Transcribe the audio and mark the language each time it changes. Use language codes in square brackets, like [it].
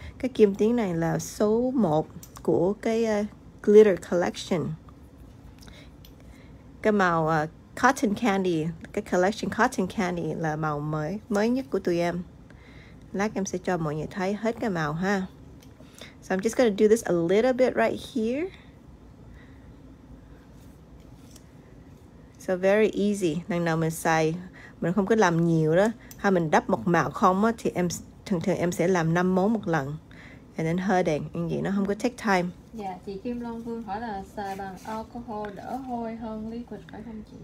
[vi] Cái kim tuyến này là số 1 của cái Glitter Collection. Cái màu Cotton Candy, cái collection Cotton Candy là màu mới nhất của tụi em. Lát em sẽ cho mọi người thấy hết cái màu ha. [en] So I'm just gonna do this a little bit right here. So very easy. [vi] Lần nào mình xài, mình không có làm nhiều đó. Hay mình đắp một màu không á, thì em thường thường em sẽ làm 5 món một lần. And then hơi đèn, như vậy nó không có [en] take time. [vi] Dạ, chị Kim Long Vương hỏi là xài bằng alcohol đỡ hôi hơn liquid phải không chị?